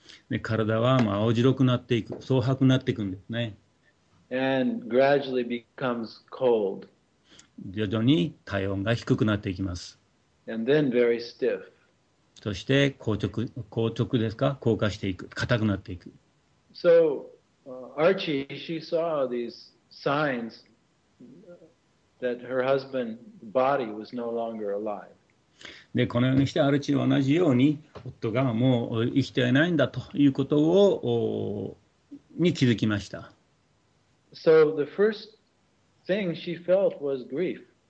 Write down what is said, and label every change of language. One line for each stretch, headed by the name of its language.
Japanese: で、体はまあ青白くなっていく、蒼白になっていくんですね。
English: And gradually becomes cold.
Japanese: 徐々に体温が低くなっていきます。
English: And then very stiff.
Japanese: そして硬直ですか？硬化していく、硬くなっていく。
English: So, Archie, she saw these signs that her husband's body was no longer alive.
Japanese: でこのようにしてアルチーは同じように夫がもう生きていないんだということをに気づきました。
English: So the first thing she felt was grief.